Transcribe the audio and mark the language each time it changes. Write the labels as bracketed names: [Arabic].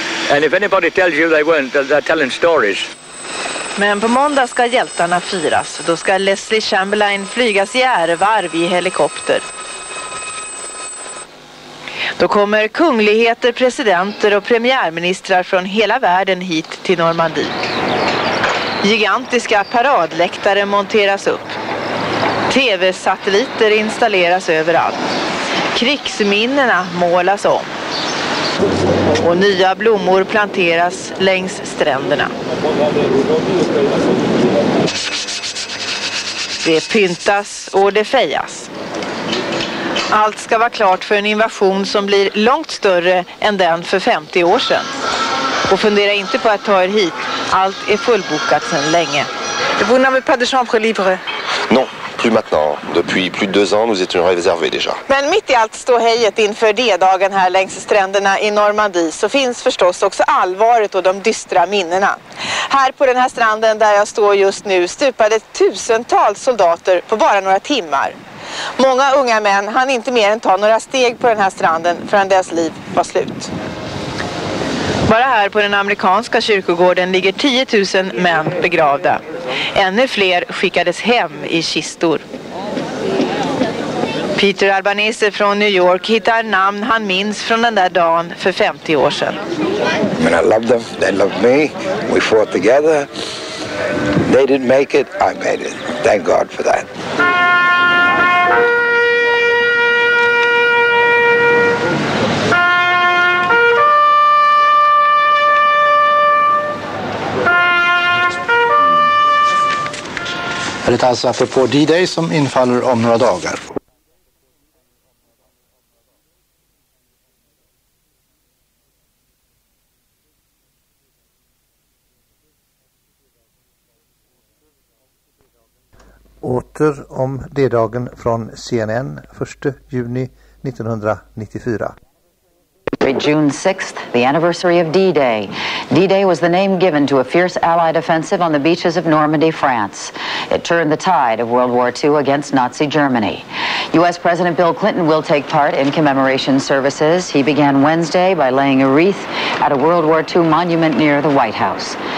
[English] And if anybody tells you they weren't, they're telling stories. [Swedish] Men på måndag ska hjältarna firas. Då ska Leslie Chamberlain flygas i ärevarv i helikopter. Då kommer kungligheter, presidenter och premiärministrar från hela världen hit till Normandie. Gigantiska paradläktare monteras upp. TV-satelliter installeras överallt. Krigsminnena målas om. Och nya blommor planteras längs stränderna. Det pyntas och det fejas. Allt ska vara klart för en invasion som blir långt större än den för 50 år sedan. Och fundera inte på att ta er hit. Allt är fullbokat sedan länge. [French] Vous n'avez pas de chambre libre? Non, plus maintenant. Depuis plus de 2 ans, nous étions réservés déjà. [Swedish] Men mitt i allt står hejet inför D-dagen här längs stränderna i Normandie så finns förstås också allvaret och de dystra minnena. Här på den här stranden där jag står just nu stupade tusentals soldater på bara några timmar. Många unga män hann inte mer än ta några steg på den här stranden förrän deras liv var slut. Bara här på den amerikanska kyrkogården ligger 10 000 män begravda. Ännu fler skickades hem i kistor. Peter Albanese från New York hittar namn han minns från den där dagen för 50 år sedan. [English] Men I loved them, they loved me, we fought together. They didn't make it, I made it. Thank God for that. [Swedish] Det är alltså apropå D-Day som infaller om några dagar. Åter om D-dagen från CNN 1 juni 1994. [English] June 6th, the anniversary of D-Day. D-Day was the name given to a fierce Allied offensive on the beaches of Normandy, France. It turned the tide of World War II against Nazi Germany. U.S. President Bill Clinton will take part in commemoration services. He began Wednesday by laying a wreath at a World War II monument near the White House.